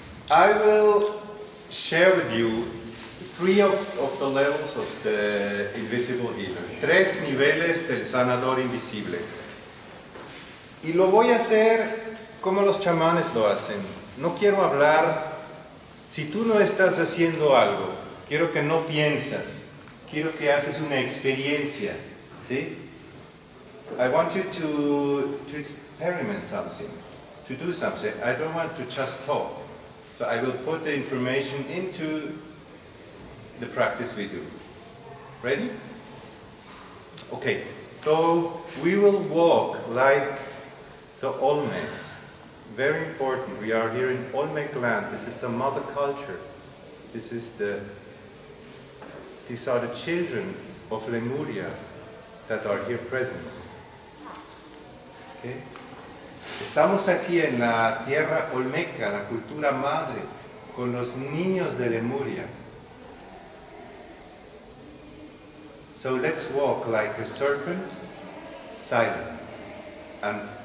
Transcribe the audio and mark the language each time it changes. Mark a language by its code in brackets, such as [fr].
[en] I will share with you three of the levels of the invisible healer. [es] Tres niveles del sanador invisible. Y lo voy a hacer como los chamanes lo hacen. No quiero hablar. Si tú no estás haciendo algo, quiero que no piensas. Quiero que haces una experiencia, ¿sí? [en] I want you to experiment something, to do something. I don't want to just talk. So I will put the information into the practice we do. Ready? Okay, so we will walk like the Olmecs. Very important, we are here in Olmec land. This is the mother culture. This is the... These are the children of Lemuria that are here present. Okay. [es] Estamos aquí en la tierra Olmeca, la cultura madre, con los niños de Lemuria. [en] So let's walk like a serpent, silent. And